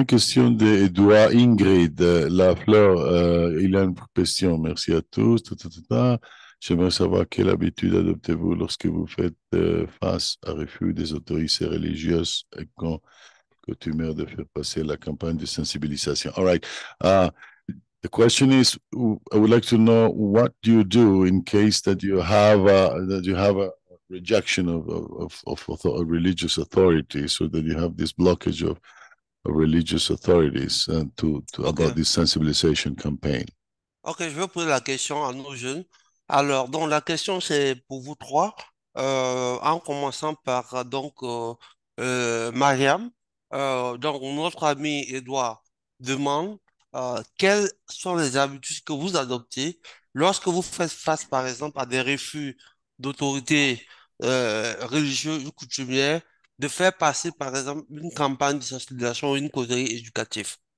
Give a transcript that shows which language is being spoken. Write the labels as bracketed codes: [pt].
[fr] une question d'Edouard Ingrid, la fleur. Il y a une question. Merci à tous. J'aimerais savoir quelle habitude adoptez-vous lorsque vous faites face à refus des autorités religieuses et qu'on coutumière de faire passer la campagne de sensibilisation. [en] All right. The question is, I would like to know what do you do in case that you have a rejection of religious authorities, so that you have this blockage of religious authorities and to about this sensibilisation campaign. [fr] Ok, je vais poser la question à nos jeunes. Alors, donc la question c'est pour vous trois, en commençant par donc Mariam. Donc notre ami Edouard demande quelles sont les habitudes que vous adoptez lorsque vous faites face, par exemple, à des refus d'autorité religieuse ou coutumière de faire passer, par exemple, une campagne de sensibilisation ou une causerie éducative.